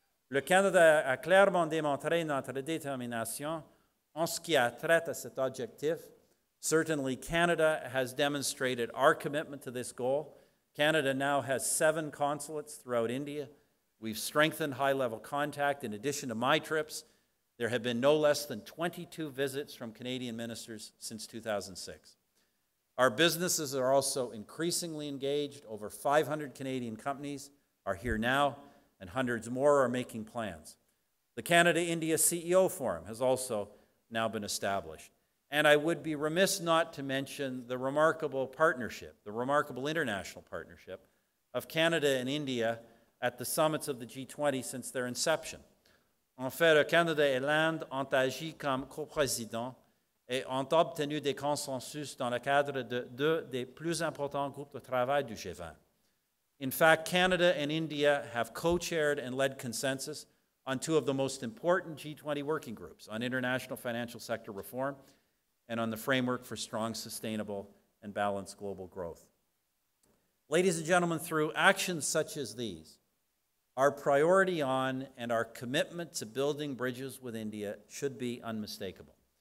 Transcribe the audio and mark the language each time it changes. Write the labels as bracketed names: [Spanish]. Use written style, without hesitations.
[French] Le Canada a clairement démontré notre détermination en ce qui a trait à cet objectif. [English] Certainly, Canada has demonstrated our commitment to this goal. Canada now has 7 consulates throughout India. We've strengthened high-level contact in addition to my trips. There have been no less than 22 visits from Canadian ministers since 2006. Our businesses are also increasingly engaged. Over 500 Canadian companies are here now, and hundreds more are making plans. The Canada-India CEO Forum has also now been established. And I would be remiss not to mention the remarkable partnership, the remarkable international partnership of Canada and India at the summits of the G20 since their inception. [French] En fait, Canada et l'Inde ont agi comme co-présidents et ont obtenu des consensus dans le cadre de deux des plus importants groupes de travail du G20. [English] In fact, Canada and India have co-chaired and led consensus on 2 of the most important G20 working groups on international financial sector reform and on the framework for strong, sustainable, and balanced global growth. Ladies and gentlemen, through actions such as these, our priority on and our commitment to building bridges with India should be unmistakable.